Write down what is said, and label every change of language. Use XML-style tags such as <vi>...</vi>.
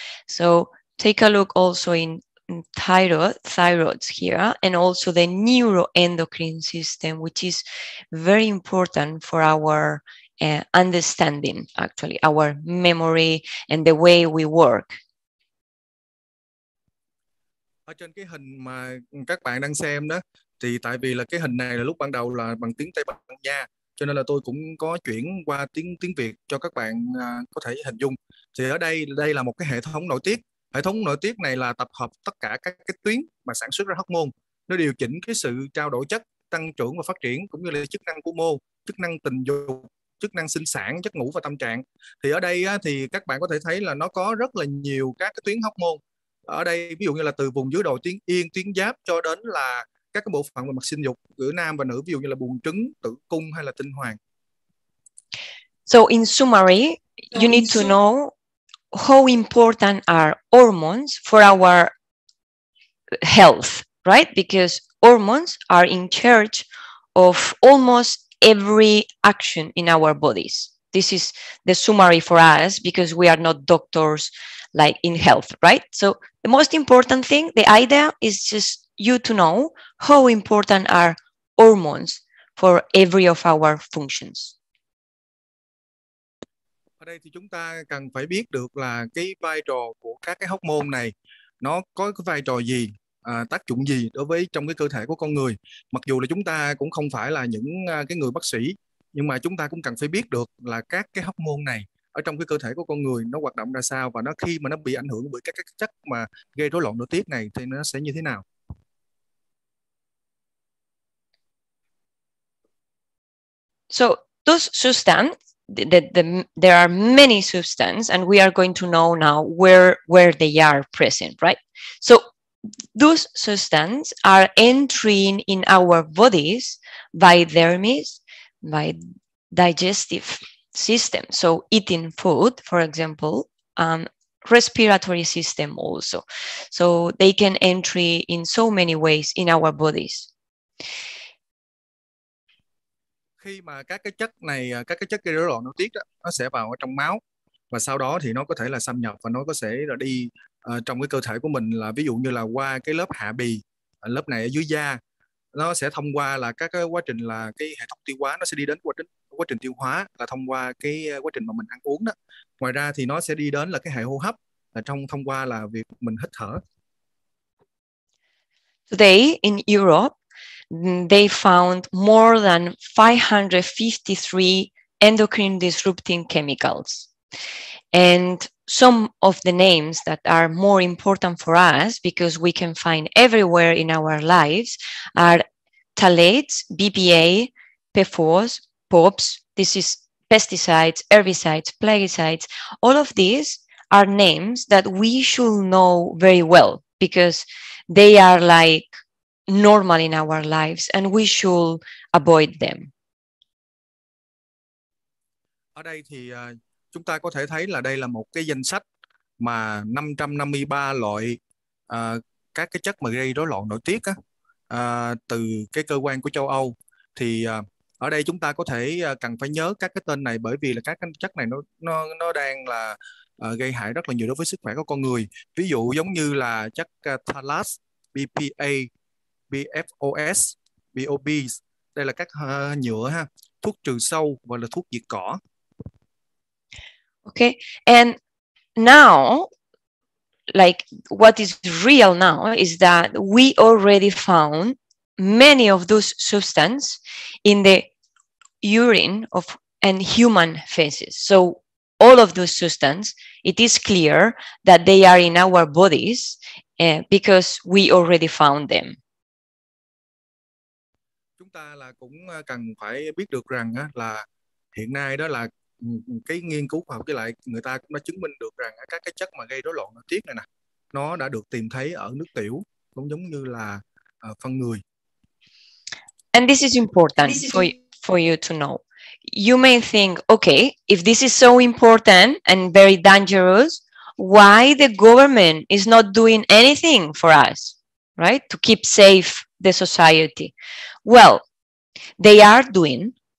<en>So take a look also in thyroids here, and also the neuroendocrine system, which is very important for our understanding, actually, our memory and the way we work.</en> <vi>Ở trên cái hình mà các bạn đang xem đó, thì tại vì là cái hình này là lúc ban đầu là bằng tiếng Tây Ban Nha, cho nên là tôi cũng có chuyển qua tiếng Việt cho các bạn có thể hình dung. Thì ở đây là một cái hệ thống nội tiết. Hệ thống nội tiết này là tập hợp tất cả các cái tuyến mà sản xuất ra hormone. Nó điều chỉnh cái sự trao đổi chất, tăng trưởng và phát triển, cũng như là chức năng của mô, chức năng tình dục, chức năng sinh sản, chất ngủ và tâm trạng. Thì ở đây thì các bạn có thể thấy là nó có rất là nhiều các cái tuyến hormone. Ở đây ví dụ như là từ vùng dưới đầu tuyến yên, tuyến giáp cho đến là các cái bộ phận về mặt sinh dục giữa nam và nữ, ví dụ như là buồng trứng, tử cung hay là tinh hoàn.</vi> <en>So in summary, you need to know how important are hormones for our health, right? Because hormones are in charge of almost every action in our bodies. This is the summary for us because we are not doctors like in health, right? So the most important thing, the idea is just you to know how important are hormones for every of our functions.</en> <vi>Ở đây thì chúng ta cần phải biết được là cái vai trò của các cái hormone này nó có cái vai trò gì, tác dụng gì đối với trong cái cơ thể của con người. Mặc dù là chúng ta cũng không phải là những cái người bác sĩ, nhưng mà chúng ta cũng cần phải biết được là các cái hormone này ở trong cái cơ thể của con người nó hoạt động ra sao, và nó khi mà nó bị ảnh hưởng bởi các chất mà gây rối loạn nội tiết này thì nó sẽ như thế nào.</vi> <en>So those substances, there are many substances, and we are going to know now where they are present, right? So those substances are entering in our bodies by dermis, by digestive system. So eating food, for example, respiratory system also. So they can enter in so many ways in our bodies.</en> <vi>Khi mà các cái chất gây rối loạn nội tiết đó, nó sẽ vào ở trong máu, và sau đó thì nó có thể là xâm nhập và nó có thể là đi trong cái cơ thể của mình, là ví dụ như là qua cái lớp hạ bì, lớp này ở dưới da, nó sẽ thông qua là các cái quá trình là cái hệ thống tiêu hóa, nó sẽ đi đến quá trình quá trình tiêu hóa là thông qua cái quá trình mà mình ăn uống đó. Ngoài ra thì nó sẽ đi đến là cái hệ hô hấp là trong thông qua là việc mình hít thở.</vi> <en>Today in Europe, they found more than 553 endocrine disrupting chemicals. And some of the names that are more important for us, because we can find everywhere in our lives, are phthalates, BPA, PFOS, POPs, this is pesticides, herbicides, plaguicides. All of these are names that we should know very well, because they are like normal in our lives and we should avoid them.</en> <vi>Ở đây thì chúng ta có thể thấy là đây là một cái danh sách mà 553 loại các cái chất mà gây rối loạn nội tiết á, từ cái cơ quan của châu Âu. Thì ở đây chúng ta có thể cần phải nhớ các cái tên này, bởi vì là các cái chất này nó đang là gây hại rất là nhiều đối với sức khỏe của con người. Ví dụ giống như là chất phthalates, BPA, PFOS, POPs, đây là các nhựa ha, thuốc trừ sâu và là thuốc diệt cỏ.</vi> <en>Okay, and now, like what is real now is that we already found many of those substances in the urine of and human feces. So all of those substances, it is clear that they are in our bodies because we already found them.</en> <vi>Chúng ta là cũng cần phải biết được rằng là hiện nay đó là cái nghiên cứu khoa học, với lại người ta cũng đã chứng minh được rằng các cái chất mà gây rối loạn nội tiết này nè, nó đã được tìm thấy ở nước tiểu cũng giống như là phân người.</vi> <en>And this is important for you to know. You may think, okay, if this is so important and very dangerous, why the government is not doing anything for us, right? To keep safe the society. Well, they are doing.</en>